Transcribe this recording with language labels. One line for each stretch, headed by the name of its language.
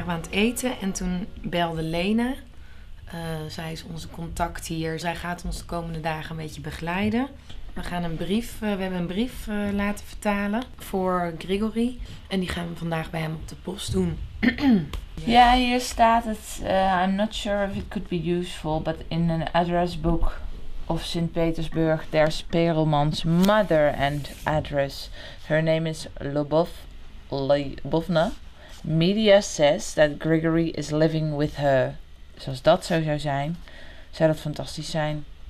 Dutch: Eten en toen belde Lena. Zij is onze contact hier. Zij gaat ons de komende dagen een beetje begeleiden. We hebben een brief laten vertalen voor Grigory. En die gaan we vandaag bij hem op de post doen. Ja, hier staat het.
English: I'm not sure if it could be useful, but in an address book of St. Petersburg, there's Perelman's mother and address. Her name is Lobovna. Media says that Grigory is living with her.
Dutch: Dus als dat zo zou zijn, zou dat fantastisch zijn.